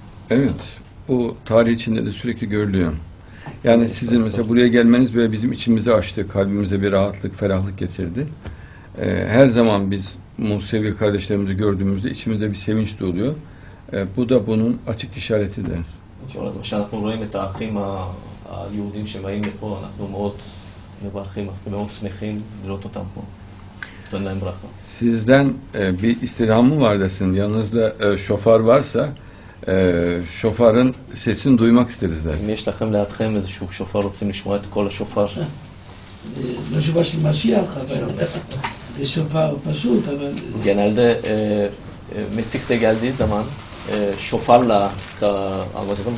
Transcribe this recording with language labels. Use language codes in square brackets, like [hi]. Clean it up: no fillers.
[tr] Evet, bu tarih içinde de sürekli görülüyor. Yani sizin mesela buraya gelmeniz böyle bizim içimizi açtı, kalbimize bir rahatlık, ferahlık getirdi. Her zaman biz Musevi kardeşlerimizi gördüğümüzde içimizde bir sevinç doluyor. Bu da bunun açık işaretidir. [he] כשאנחנו רואים את האחים היהודים שבאים לפה, אנחנו מאוד מברכים, אנחנו מאוד שמחים לראות אותם פה. תודה להם ברכה. [tr] Sizden bir istirhamı var desin. Yanınızda şofar varsa, şofarın sesini duymak isteriz desin. [he] אם יש לכם לידכם איזשהו שופר, רוצים לשמוע את כל השופר. זה לא שופר של משיח, אבל זה שופר פשוט, אבל... [tr] Genelde Mesih'te geldiği zaman, şofarla anlatıyorum.